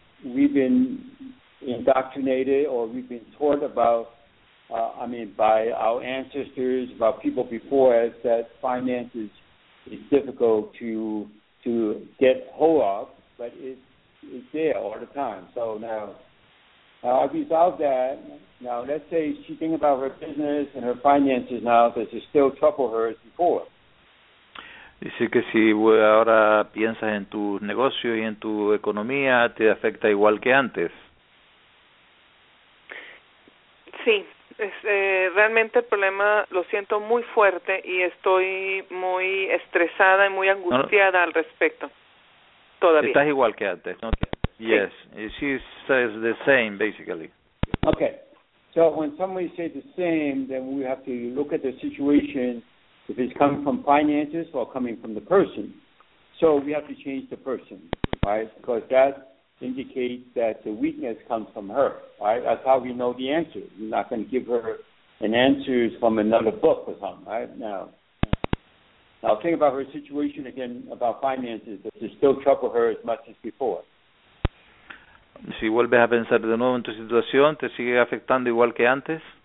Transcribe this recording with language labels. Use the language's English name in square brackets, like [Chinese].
[English] We've been indoctrinated, or we've been taught about, I mean, by our ancestors, about people before us, that finances is difficult to get hold of, but it's there all the time. So now I've resolved that. Now let's say she thinks about her business and her finances now, does it still trouble her as before? [Spanish] Dice que si ahora piensas en tu negocio y en tu economía, te afecta igual que antes. Sí, Realmente el problema lo siento muy fuerte y estoy muy estresada y muy angustiada al respecto. Todavía. Estás igual que antes, ¿no? [English] Yes, she says the same, basically. Okay, so when somebody says the same, then we have to look at the situation, if it's coming from finances or coming from the person. So we have to change the person, right? Because that indicates that the weakness comes from her, right? That's how we know the answer. You're not going to give her an answer from another book or something, right? Now think about her situation again, about finances. Does it still trouble her as much as before? [Spanish] Si vuelves a pensar de nuevo en tu situación, ¿te sigue afectando igual que antes?